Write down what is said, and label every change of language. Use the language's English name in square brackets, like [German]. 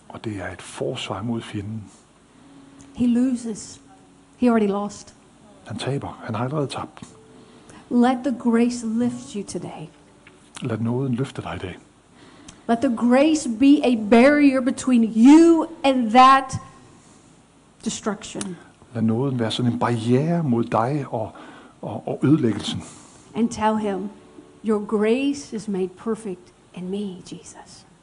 [Danish] Og det er et forsvar mod fjenden. [English] He loses. He already lost. [Danish] Han taber. Han har allerede tabt. [English] Let the grace lift you today. [Danish] Lad nåden løfte dig i dag. [English] Let the grace be a barrier between you and that destruction. [Danish] Lad nåden være sådan en barriere mod dig og ødelæggelsen. [English] And tell him, your grace is made perfect in me, Jesus.